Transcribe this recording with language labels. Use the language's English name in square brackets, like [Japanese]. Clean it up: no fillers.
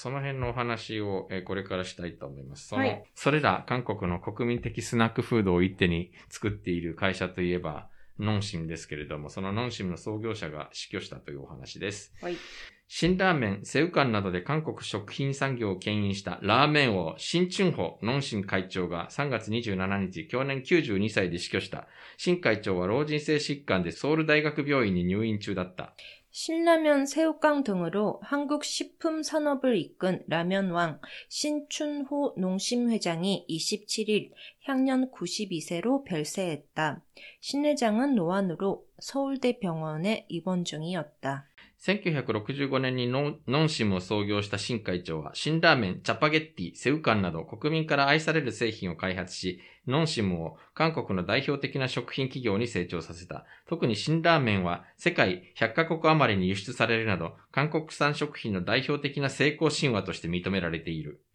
[Japanese] その辺のお話を、これからしたいと思います。その、はい、それら、韓国の国民的スナックフードを一手に作っている会社といえば、ノンシムですけれども、そのノンシムの創業者が死去したというお話です。はい。辛ラーメン、セウカンなどで韓国食品産業を牽引したラーメン王、辛春穂、ノンシン会長が3月27日、去年92歳で死去した。辛会長は老人性疾患でソウル大学病院に入院中だった。 [Korean] 신라면 새우깡 등으로 한국 식품 산업을 이끈 라면 왕 신춘호 농심회장이 27일 향년 92세로 별세했다. 신 회장은 노안으로 서울대 병원에 입원 중이었다. [Japanese] 1965年にノンシムを創業した新会長は、辛ラーメン、チャパゲッティ、セウカンなど国民から愛される製品を開発し、ノンシムを韓国の代表的な食品企業に成長させた。特に辛ラーメンは世界100カ国余りに輸出されるなど、韓国産食品の代表的な成功神話として認められている。